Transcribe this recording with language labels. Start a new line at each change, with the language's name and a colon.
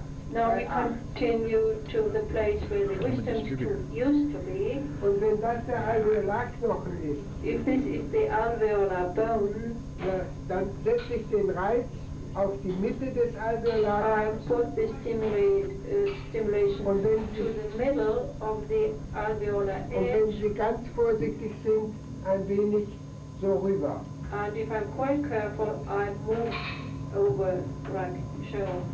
English: Now we continue to the place where the wisdom tooth used to be.
German: Und wenn das der Alveolarknochen ist,
English: if this is the alveolar bone,
German: ja, dann setze ich den Reiz auf die Mitte des Alveolar.
English: I put the stimulation
German: und wenn
English: to the middle of the alveolar edge.
German: Und wenn Sie ganz vorsichtig sind, ein wenig so rüber.
English: And if I'm quite careful, I move over like so.